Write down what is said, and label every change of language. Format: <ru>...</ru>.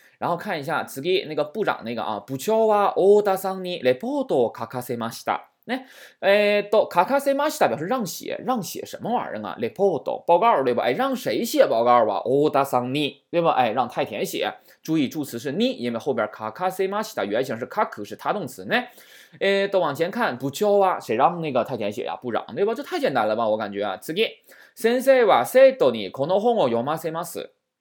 <zh>然后看一下次那个部长那个啊，</zh> <ja>部長はオダサンニレポートを書かせました。</ja> <zh>那，卡卡塞马西达表示让写，让写什么玩意儿啊 ？report 报告，对吧？哎，让谁写报告吧 ？oda san ni， 对吧？哎，让太田写。注意助词是 ni， 因为后边卡卡塞马西达原型是卡克，是他动词呢。都往前看，部教啊，谁让那个太田写呀、啊？部长，对吧？这太简单了吧？我感觉啊，次，</zh> <ja>先生は生徒にこの本を読ませます。</ja>